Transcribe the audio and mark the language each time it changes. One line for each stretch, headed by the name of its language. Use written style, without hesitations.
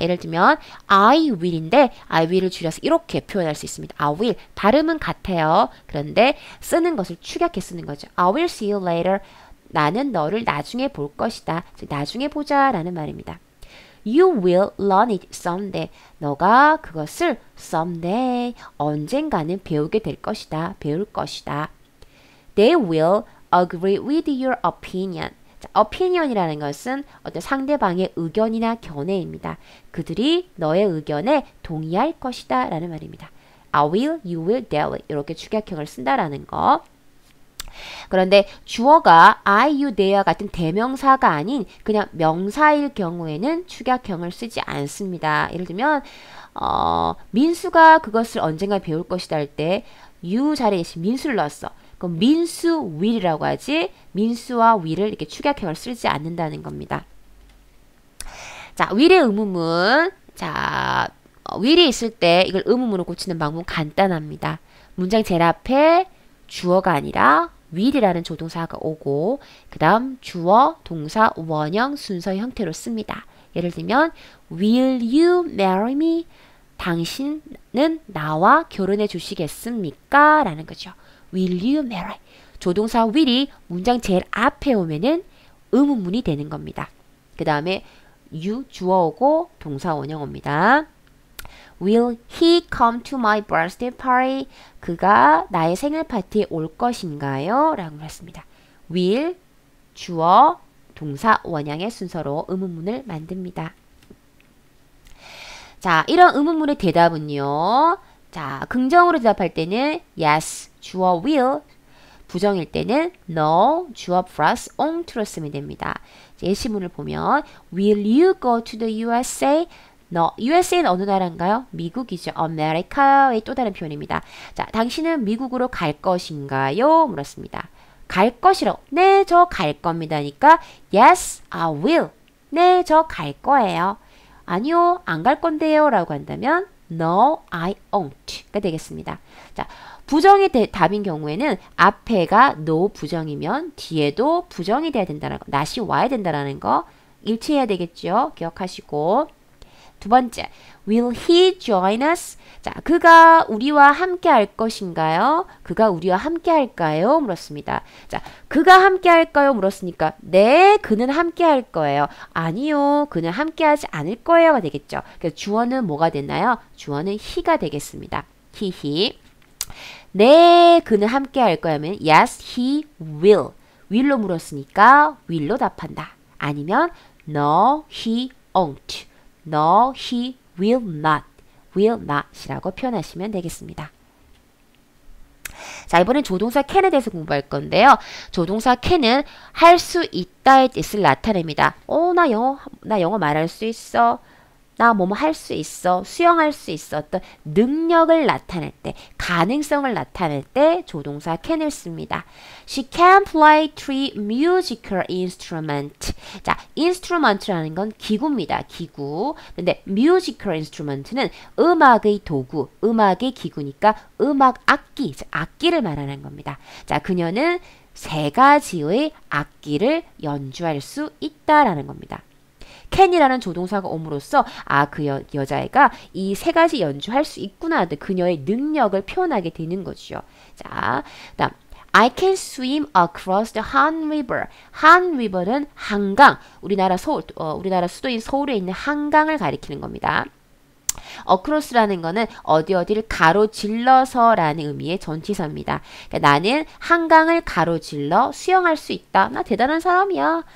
Korean: 예를 들면 I will인데 I will을 줄여서 이렇게 표현할 수 있습니다.
English: I will.
Korean: 발음은 같아요. 그런데 쓰는 것을 축약해 쓰는 거죠.
English: I will see you later.
Korean: 나는 너를 나중에 볼 것이다. 즉 나중에 보자라는 말입니다.
English: You will learn it someday.
Korean: 너가 그것을 someday 언젠가는 배우게 될 것이다. 배울 것이다.
English: They will agree with your opinion.
Korean: 자, opinion이라는 것은 어떤 상대방의 의견이나 견해입니다. 그들이 너의 의견에 동의할 것이다 라는 말입니다.
English: I will, you will, they will
Korean: 이렇게 축약형을 쓴다라는 거. 그런데 주어가 I, you, they와 같은 대명사가 아닌 그냥 명사일 경우에는 축약형을 쓰지 않습니다. 예를 들면, 민수가 그것을 언젠가 배울 것이다 할 때, you 자리에 민수를 넣었어. 그럼 민수 will이라고 하지, 민수와 will을 이렇게 축약형을 쓰지 않는다는 겁니다. 자, will의 의문문. 자, will이 있을 때 이걸 의문문으로 고치는 방법은 간단합니다. 문장 제일 앞에 주어가 아니라 will이라는 조동사가 오고, 그 다음 주어, 동사, 원형, 순서 형태로 씁니다. 예를 들면,
English: Will you marry me?
Korean: 당신은 나와 결혼해 주시겠습니까? 라는 거죠.
English: Will you marry?
Korean: 조동사 will이 문장 제일 앞에 오면은 의문문이 되는 겁니다. 그 다음에 you 주어 오고 동사 원형 옵니다.
English: Will he come to my birthday party?
Korean: 그가 나의 생일 파티에 올 것인가요? 라고 물었습니다. Will 주어 동사 원형의 순서로 의문문을 만듭니다. 자, 이런 의문문의 대답은요. 자, 긍정으로 대답할 때는 yes, 주어 will. 부정일 때는 no, 주어 plus ont로 쓰면 됩니다. 예시문을 보면,
English: Will you go to the USA?
Korean: 너, USA는 어느 나라인가요? 미국이죠. America의 또 다른 표현입니다. 자, 당신은 미국으로 갈 것인가요? 물었습니다. 갈 것이라고. 네, 저갈 겁니다니까.
English: Yes, I will.
Korean: 네, 저갈 거예요. 아니요, 안갈 건데요. 라고 한다면,
English: No, I won't.
Korean: 가 되겠습니다. 자, 부정이 답인 경우에는 앞에가 no 부정이면 뒤에도 부정이 돼야 된다는 거, not이 와야 된다는 거, 일치해야 되겠죠? 기억하시고. 두 번째,
English: Will he join us?
Korean: 자, 그가 우리와 함께 할 것인가요? 그가 우리와 함께 할까요? 물었습니다. 자, 그가 함께 할까요? 물었으니까, 네, 그는 함께 할 거예요. 아니요, 그는 함께 하지 않을 거예요가 되겠죠. 그래서 주어는 뭐가 됐나요? 주어는 he가 되겠습니다.
English: he.
Korean: 네, 그는 함께 할 거야 하면,
English: yes, he will.
Korean: will로 물었으니까, will로 답한다. 아니면,
English: no, he won't. No, he will not.
Korean: will not이라고 표현하시면 되겠습니다. 자, 이번엔 조동사 can에 대해서 공부할 건데요. 조동사 can은 할수 있다의 뜻을 나타냅니다. 나 영어 말할 수 있어. 나뭐뭐할수 있어. 수영할 수 있어. 어떤 능력을 나타낼 때, 가능성을 나타낼 때 조동사 can을 씁니다.
English: She can play three musical instruments.
Korean: 자, instrument라는 건 기구입니다. 기구. 근데 musical instrument는 음악의 도구, 음악의 기구니까 음악 악기, 즉 악기를 말하는 겁니다. 자, 그녀는 세 가지의 악기를 연주할 수 있다라는 겁니다. can이라는 조동사가 옴으로써 아, 그 여자애가 이세 가지 연주할 수 있구나 하듯 그녀의 능력을 표현하게 되는 거죠. 자, 그다음
English: I can swim across the Han River.
Korean: Han River는 한강, 우리나라 수도인 서울에 있는 한강을 가리키는 겁니다. Across라는 거는 어디 어디를 가로질러서라는 의미의 전치사입니다. 그러니까 나는 한강을 가로질러 수영할 수 있다. 나 대단한 사람이야.